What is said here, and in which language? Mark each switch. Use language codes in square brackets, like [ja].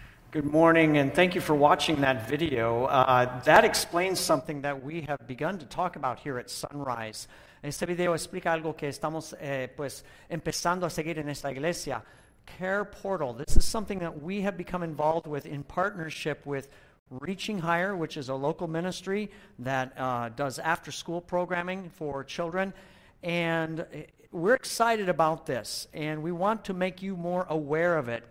[en] Good morning, and thank you for watching that video. That explains something that we have begun to talk about here at Sunrise. [es] Este video explica algo que estamos pues empezando a seguir en esta iglesia. [en] Care Portal. This is something that we have become involved with in partnership with Reaching Higher, which is a local ministry that does after-school programming for children. And we're excited about this, and we want to make you more aware of it.